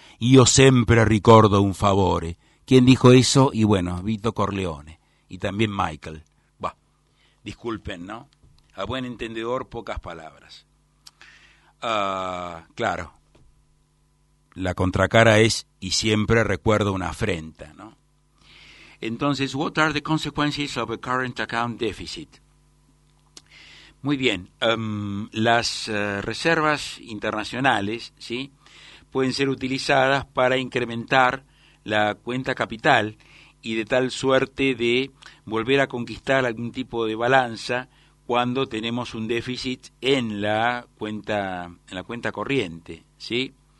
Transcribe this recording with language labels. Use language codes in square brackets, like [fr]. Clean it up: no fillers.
[es] Y yo siempre recuerdo un favore. ¿Quién dijo eso? Y bueno, Vito Corleone. Y también Michael. Bah, disculpen, ¿no? A buen entendedor, pocas palabras. Claro. La contracara es, y siempre recuerdo una afrenta, ¿no? Entonces, [en] what are the consequences of a current account deficit? [es] Muy bien, las reservas internacionales, ¿sí?, pueden ser utilizadas para incrementar la cuenta capital y de tal suerte de volver a conquistar algún tipo de balanza cuando tenemos un déficit en la cuenta corriente, ¿sí?